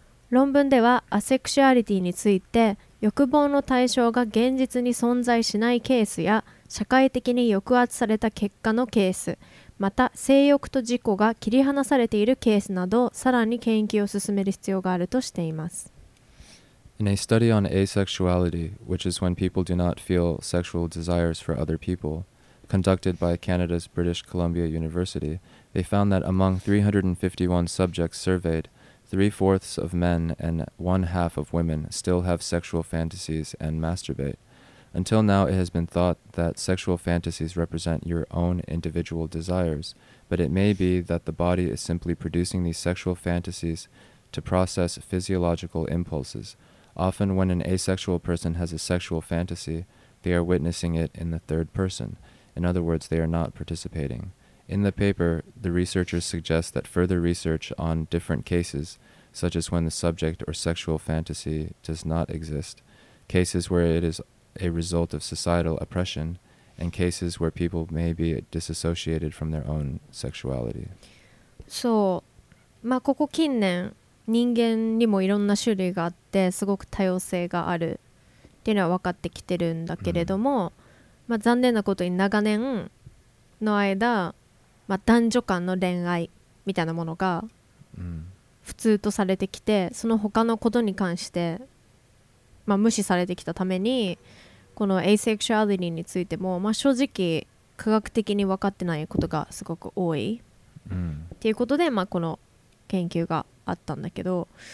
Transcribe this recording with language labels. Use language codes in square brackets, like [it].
[ja] 論文ではアセクシュアリティについて、欲望の対象が現実に存在しないケースや社会的に抑圧された結果のケース、また性欲と自己が切り離されているケースなどさらに研究を進める必要があるとしています。 [en] In a study on asexuality, which is when people do not feel sexual desires for other people, conducted by Canada's British Columbia University, they found that among 351 subjects surveyed, three-fourths of men and one-half of women still have sexual fantasies and masturbate. Until now, it has been thought that sexual fantasies represent your own individual desires, but it may be that the body is simply producing these sexual fantasies to process physiological impulses. Often, when an asexual person has a sexual fantasy, they are witnessing it in the third person. In other words, they are not participating. In the paper, the researchers suggest that further research on different cases, such as when the subject or sexual fantasy does not exist, cases where it is a result of societal oppression, and cases where people may be disassociated from their own sexuality. [ja] そう、まあここ近年、人間にもいろんな種類があって、すごく多様性があるっていうのは分かってきてるんだけれども、mm-hmm. まあ残念なことに長年の間まあ、男女間の恋愛みたいなものが普通とされてきて、その他のことに関してまあ無視されてきたために、このアセクシュアリティについてもまあ正直科学的に分かってないことがすごく多いっていうことで、まあこの研究があったんだけど、